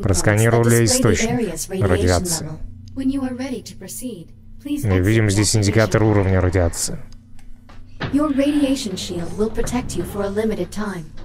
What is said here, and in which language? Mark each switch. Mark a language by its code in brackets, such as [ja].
[en] points that display the area's radiation level. When you are ready to proceed, please exit. [ru] Мы видим здесь индикатор уровня радиации. [en] Your radiation shield will protect you for a limited time.